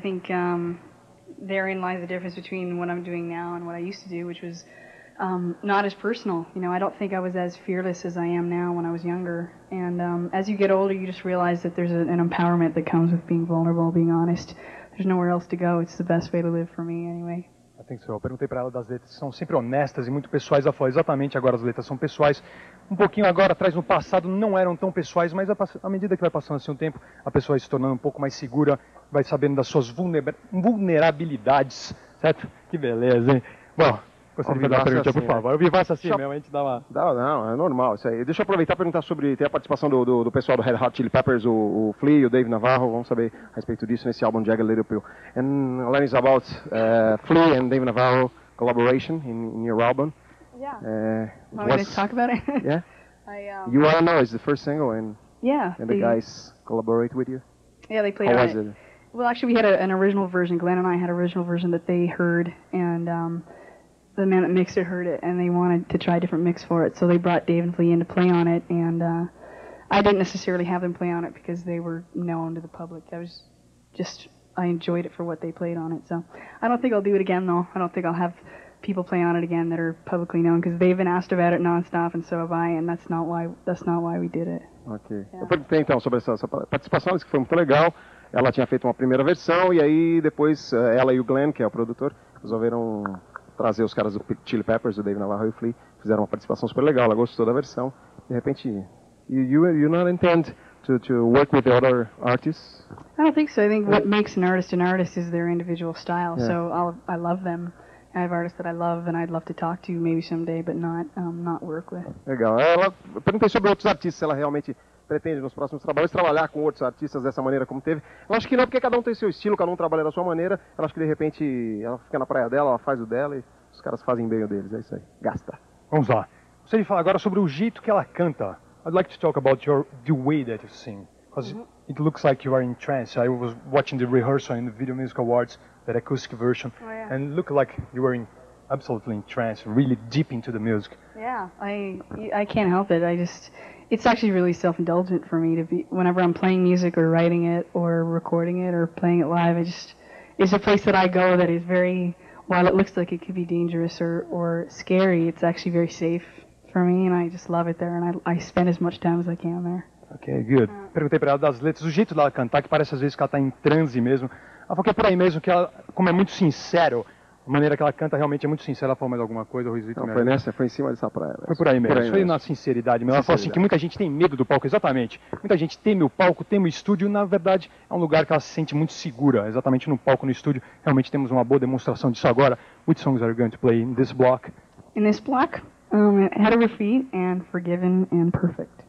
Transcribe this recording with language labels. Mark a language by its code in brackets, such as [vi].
[en] I think therein lies the difference between what I'm doing now and what I used to do, which was not as personal. You know, I don't think I was as fearless as I am now when I was younger. And as you get older, you just realize that there's an empowerment that comes with being vulnerable, being honest. There's nowhere else to go. It's the best way to live for me, anyway. I think so. [pt] Eu perguntei para ela das letras. São sempre honestas e muito pessoais. Ela falou exatamente agora as letras são pessoais. Um pouquinho agora atrás, no passado, não eram tão pessoais, mas à medida que vai passando assim um tempo, a pessoa vai se tornando um pouco mais segura, vai sabendo das suas vulnerabilidades, certo? Que beleza, hein? Bom, gostaria de fazer uma pergunta, assim, por favor. Eu vivasse assim mesmo, a gente dá uma... Não, é normal isso aí. Deixa eu aproveitar e perguntar sobre... Tem a participação do pessoal do Red Hot Chili Peppers, o Flea, o Dave Navarro. Vamos saber a respeito disso nesse álbum Jagged Little Pill. [en] And Alanis about Flea and Dave Navarro collaboration in your album. Yeah. Want me to talk about it? Yeah. You Are Now is the first single, and yeah, and the guys collaborate with you. Yeah, they played. How on was it? Well, actually, we had an original version. Glenn and I had an original version that they heard, and the man that mixed it heard it, and they wanted to try a different mix for it. So they brought Dave and Flea in to play on it, and I didn't necessarily have them play on it because they were known to the public. I enjoyed it for what they played on it. So I don't think I'll do it again, though. I don't think I'll have people play on it again that are publicly known, because they've been asked about it nonstop, and so have I, and that's not why we did it. Okay. [pt] Yeah. Eu perguntei então sobre essa participação, isso que foi muito legal. Ela tinha feito uma primeira versão, e aí depois ela e o Glenn, que é o produtor, resolveram trazer os caras do Chili Peppers, o Dave Navarro e o Flea, fizeram uma participação super legal, ela gostou da versão. De repente, [en] you not intend to work with the other artists? I don't think so. I think what makes an artist is their individual style, yeah. So I love them. I have artists that I love and I'd love to talk to maybe someday, but not work with. [pt] Legal. Ela perguntei sobre outros artistas, se ela realmente pretende nos próximos trabalhos trabalhar com outros artistas dessa maneira como teve. Eu acho que não, porque cada um tem seu estilo, cada um trabalha da sua maneira. Eu acho que de repente ela fica na praia dela, ela faz o dela e os caras fazem bem o deles. É isso aí. Gasta. Vamos lá. Você me fala agora sobre o jeito que ela canta. [en] I'd like to talk about the way that you sing. Because It looks like you are in trance. I was watching the rehearsal in the Video Music Awards. That acoustic version, oh, yeah. And look like you were absolutely in trance, really deep into the music. Yeah, I can't help it. It's actually really self-indulgent for me to be, whenever I'm playing music or writing it or recording it or playing it live, it's a place that I go that is very, while it looks like it could be dangerous or scary, it's actually very safe for me, and I just love it there, and I spend as much time as I can there. Okay, good. [pt] Perguntei pra ela das letras, o jeito dela cantar, que parece às vezes que ela tá em transe mesmo. Ela falou que é por aí mesmo, que ela, como é muito sincero, a maneira que ela canta realmente é muito sincera. Ela falou mais alguma coisa, Ruizito? Não, foi nessa, foi em cima dessa praia. Foi por aí mesmo, por aí foi mesmo. Na sinceridade mesmo. Ela falou assim que muita gente tem medo do palco, exatamente. Muita gente teme o palco, teme o estúdio. Na verdade, é um lugar que ela se sente muito segura, exatamente no palco, no estúdio. Realmente temos uma boa demonstração disso agora. [en] Which songs are you going to play in this block? In this block, Head Over Feet and Forgiven and Perfect.